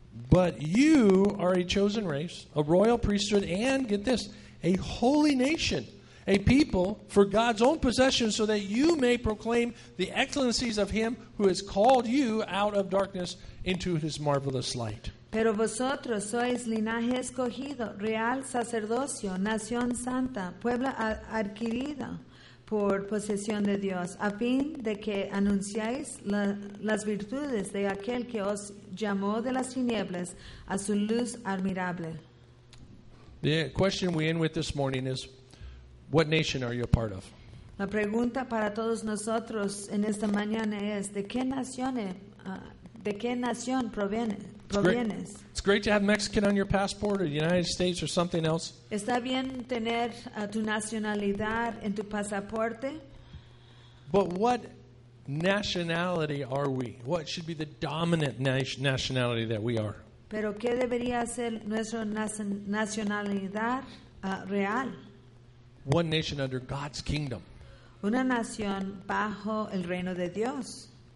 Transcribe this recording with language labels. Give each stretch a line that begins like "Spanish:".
English: But you are a chosen race, a royal priesthood, and get this, a holy nation, a people for God's own possession, so that you may proclaim the excellencies of Him who has called you out of darkness into His marvelous light.
Spanish: Pero vosotros sois linaje escogido, real sacerdocio, nación santa, pueblo adquirido, por posesión de Dios, a fin de que anunciéis las virtudes de aquel que os llamó de las tinieblas a su luz admirable.
English: The question we end with this morning is, what nation are you a part of?
Spanish: La pregunta para todos nosotros en esta mañana es, ¿de qué nación provienes?
English: It's great to have Mexican on your passport or the United States or something else.
Spanish: Está bien tener tu nacionalidad en tu pasaporte.
English: But what nationality are we? What should be the dominant nationality that we are?
Spanish: Pero ¿qué debería ser nuestra nacionalidad real?
English: One nation under God's kingdom.
Spanish: Una nación bajo el reino de Dios.